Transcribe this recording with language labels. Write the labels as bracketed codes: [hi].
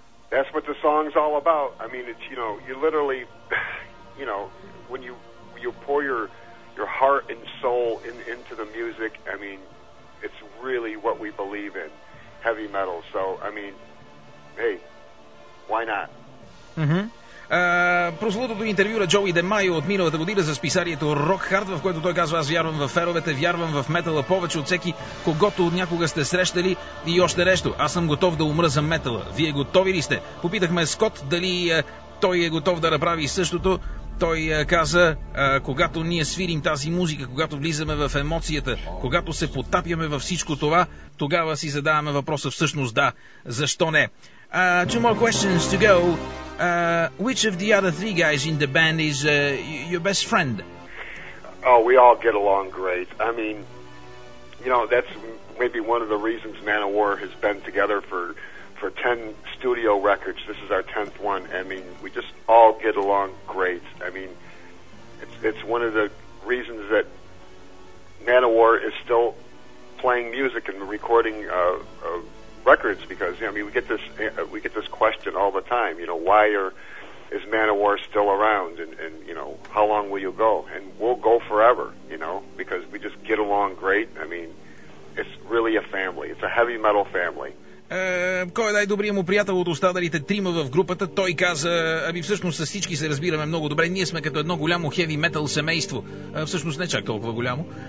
[en] That's what the song's all about. I mean, it's, you know, you literally, you know, when you pour your heart and soul into the music, I mean, it's really what we believe in, heavy metal. So, I mean, hey, why not? Mm-hmm. [bg] Прословото интервю на Джоуи Демайо от миналата година за списанието Rock Hard, в което той казва: аз вярвам в феновете, вярвам в метала повече от всеки, когото от някога сте срещали, и още нещо. Аз съм готов да умра за метала. Вие готови ли сте? Попитахме Скот дали той е готов да направи същото. Той каза, когато ние свирим тази музика, когато влизаме в емоцията, когато се потапяме във всичко това, тогава си задаваме въпроса всъщност да, защо не. [en] Two more questions to go. Which of the other three guys in the band is your best friend? Oh, we all get along great. I mean, you know, that's maybe one of the reasons Man of War has been together for 10 studio records. This is our 10th one. I mean, we just all get along great. I mean, it's one of the reasons that Man of War is still playing music and recording records, because, you know, I mean, we get this question all the time, you know, is Man of War still around, and you know, how long will you go? And we'll go forever, you know, because we just get along great. I mean, it's really a family. It's a heavy metal family. [bg] Кой е най-добрият му приятел от останалите трима в групата? Той каза, всъщност с всички се разбираме много добре. Ние сме като едно голямо хеви метал семейство. Всъщност не чак толкова голямо.